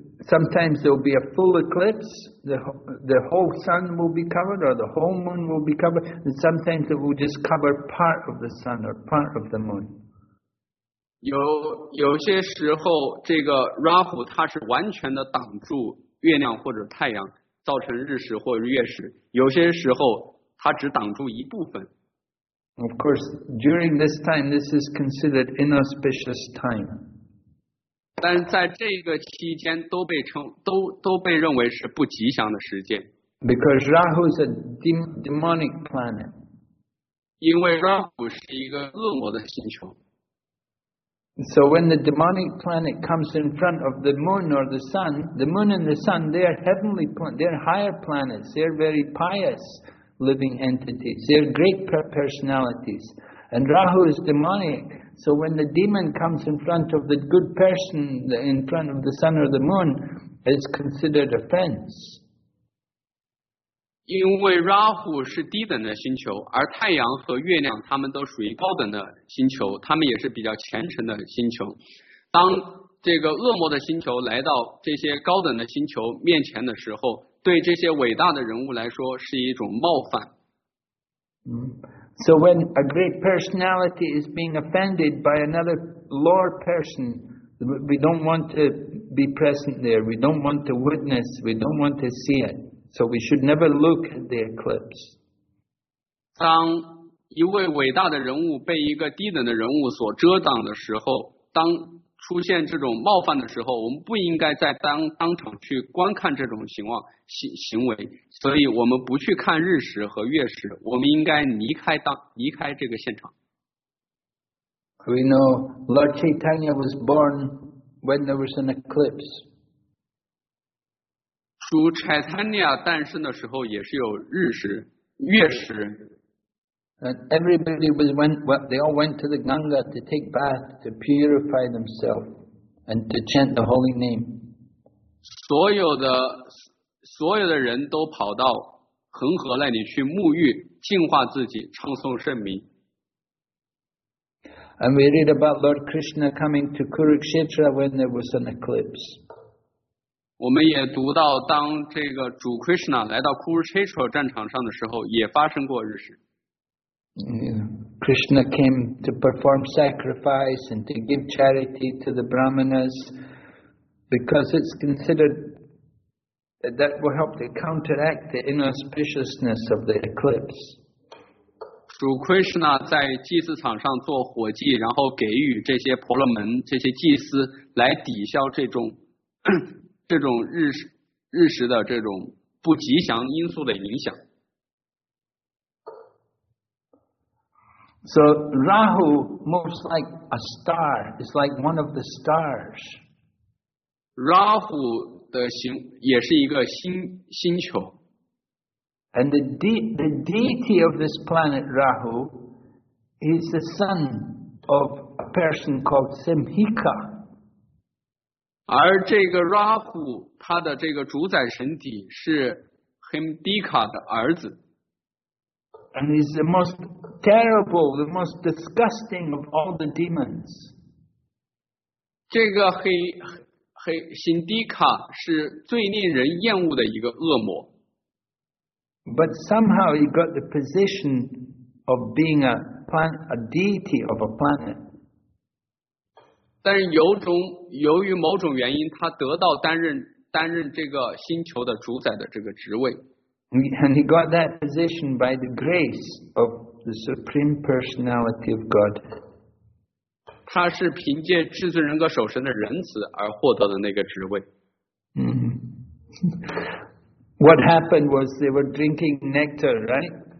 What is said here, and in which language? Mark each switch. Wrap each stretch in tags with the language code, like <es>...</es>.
<en>Sometimes there will be a full eclipse, the whole sun will be covered, or the whole moon will be covered, and sometimes it will just cover part of the sun or part of the moon.</en> <zh>有些时候，这个 Rahu 它是完全的挡住月亮或者太阳，造成日食或者月食。有些时候，它只挡住一部分。</zh> <en>Of course, during this time, this is considered inauspicious time.</en> <zh>但在这个期间都被称都被认为是不吉祥的时间。</zh> <en>Because Rahu is a demonic planet.</en> <zh>因为 Rahu 是一个恶魔的星球。</zh> <en>So when the demonic planet comes in front of the moon or the sun, the moon and the sun, they are heavenly planets, they are higher planets, they are very pious living entities, they are great personalities. And Rahu is demonic. So when the demon comes in front of the good person, in front of the sun or the moon, it's considered offense.</en> <zh>因为 Rahu 是低等的星球，而太阳和月亮他们都属于高等的星球，他们也是比较虔诚的星球。当这个恶魔的星球来到这些高等的星球面前的时候，对这些伟大的人物来说是一种冒犯。</zh> <en>So when a great personality is being offended by another lower person, we don't want to be present there. We don't want to witness. We don't want to see it. So we should never look at the eclipse.</en> <zh>当一位伟大的人物被一个低等的人物所遮挡的时候，当出现这种冒犯的时候，我们不应该在当场去观看这种行为，所以我们不去看日食和月食，我们应该离开这个现场。</zh> <en>We know Lord Chaitanya was born when there was an eclipse.</en> <zh>主 Chaitanya 诞生的时候也是有日食、月食。</zh> <en>And everybody was they all went to the Ganga to take bath, to purify themselves, and to chant the holy name.</en> <zh>所有的人都跑到恒河那里去沐浴，净化自己，唱诵圣名。</zh> <en>And we read about Lord Krishna coming to Kurukshetra when there was an eclipse.</en> <zh>我们也读到，当这个主 Krishna 来到 Kurukshetra 战场上的时候，也发生过日食。</zh> <en>Krishna came to perform sacrifice and to give charity to the brahmanas because it's considered that that will help to counteract the inauspiciousness of the eclipse.</en> <zh>主 Krishna 在祭祀场上做火祭，然后给予这些婆罗门这些祭司来抵消这种日食的这种不吉祥因素的影响。</zh> <en>So Rahu moves like a star. It's like one of the stars.</en> <zh>Rahu 的星也是一个星球。</zh> <en>And the deity of this planet Rahu is the son of a person called Simhika.</en> <zh>而这个 Rahu 他的这个主宰神体是 Himdika 的儿子。</zh> <en>And he's the most terrible, the most disgusting of all the demons.</en> <zh>这个黑辛迪卡是最令人厌恶的一个恶魔。</zh> <en>But somehow he got the position of being a deity of a planet.</en> <zh>但是由于某种原因，他得到担任这个星球的主宰的这个职位。</zh> <en>And he got that position by the grace of the Supreme Personality of God.</en> <zh>他是凭借至尊人格守神的仁慈而获得的那个职位。</zh> <en>What happened was they were drinking nectar, right?</en>